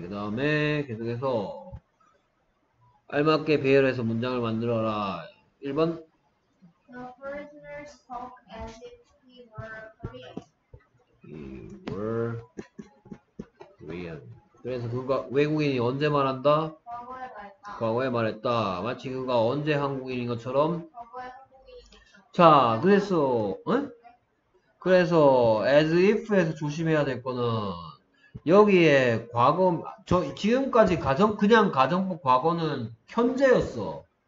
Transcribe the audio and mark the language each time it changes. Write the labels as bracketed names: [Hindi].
[Korean] 그 다음에 계속해서 알맞게 배열해서 문장을 만들어라. 1번. [English] before. The foreigners spoke as if he were Korean. were Korean. [Korean] 그래서 그가 외국인이 언제 말한다? 과거에 말했다. 마치 그가 언제 한국인인 것처럼. 자, 그래서, 응? 그래서 as if에서 조심해야 될 거는 여기에 과거, 저 지금까지 가정 그냥 가정법 과거는 현재였어.